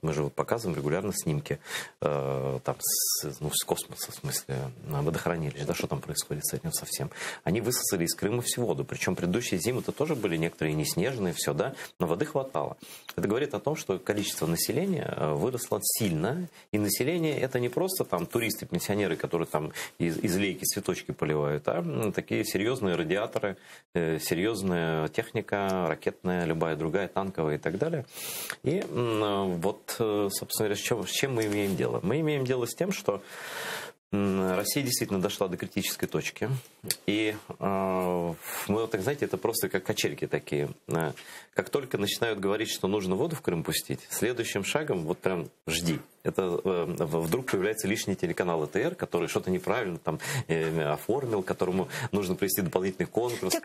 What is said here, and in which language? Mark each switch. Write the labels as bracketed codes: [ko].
[ru] Мы же вот показываем регулярно снимки там с космоса, в смысле, водохранилища, да, что там происходит с этим совсем. Они высосали из Крыма всю воду. Причем предыдущие зимы-то тоже были некоторые неснежные, все, да? Но воды хватало. Это говорит о том, что количество населения выросло сильно. И население это не просто там туристы, пенсионеры, которые там из лейки цветочки поливают, а [uk] такі серйозні радіатори, серйозна техніка, ракетна, любая друга, танкова і так далі. І от, собственно, що ми маємо діло? [ru] Ми маємо діло з тим, що Россия действительно дошла до критической точки. И мы, вот так знаете, это просто как качельки такие. Как только начинают говорить, что нужно воду в Крым пустить, следующим шагом вот прям жди. Это вдруг появляется лишний телеканал АТР, который что-то неправильно там оформил, которому нужно провести дополнительный конкурс.